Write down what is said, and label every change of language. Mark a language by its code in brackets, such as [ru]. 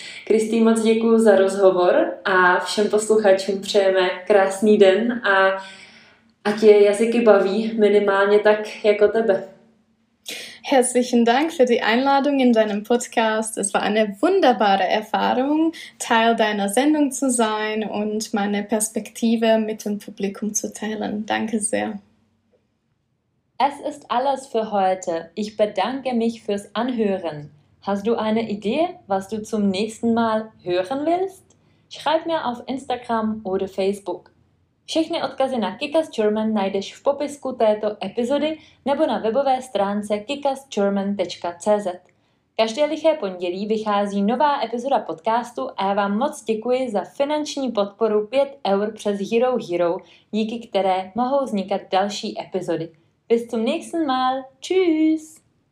[cs] Kristý, moc děkuju za rozhovor a všem posluchačům přejeme krásný den a ať je jazyky baví minimálně tak jako tebe. [de] Herzlichen Dank für die Einladung in deinem Podcast. Es war eine wunderbare Erfahrung, Teil deiner Sendung zu sein und meine Perspektive mit dem Publikum zu teilen. Danke sehr. Es ist alles für heute. Ich bedanke mich fürs Anhören. Hast du eine Idee, was du zum nächsten Mal hören willst? Schreib mir auf Instagram oder Facebook. [cs] Všechny odkazy na Kickass German najdeš v popisku této epizody nebo na webové stránce kickassgerman.cz. Každé liché pondělí vychází nová epizoda podcastu a já vám moc děkuji za finanční podporu 5 eur přes Hero Hero, díky které mohou vznikat další epizody. [de] Bis zum nächsten Mal. Tschüss!